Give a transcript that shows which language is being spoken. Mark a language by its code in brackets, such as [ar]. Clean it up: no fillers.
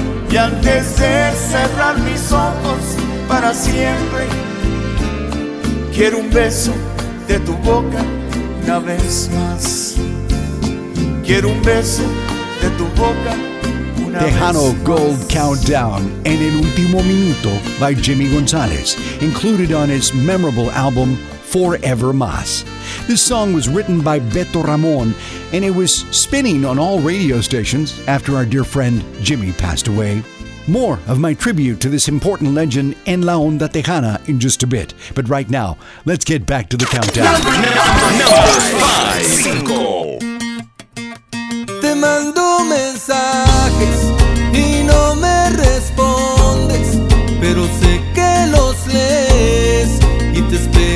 [es] Y antes de cerrar mis ojos para siempre, quiero un beso de tu boca una vez más. Quiero un beso de tu boca una [en] Tejano [es] vez [en] Gold [es] más. [en] Countdown en el último minuto by Jimmy González, included on his memorable album Forever Más. This song was written by Beto Ramon, and it was spinning on all radio stations after our dear friend Jimmy passed away. More of my tribute to this important legend [es] en la onda tejana [en] in just a bit. But right now, let's get back to the countdown. Number 5. [es] Te mando mensajes y no me respondes, pero sé que los lees y te escuchas.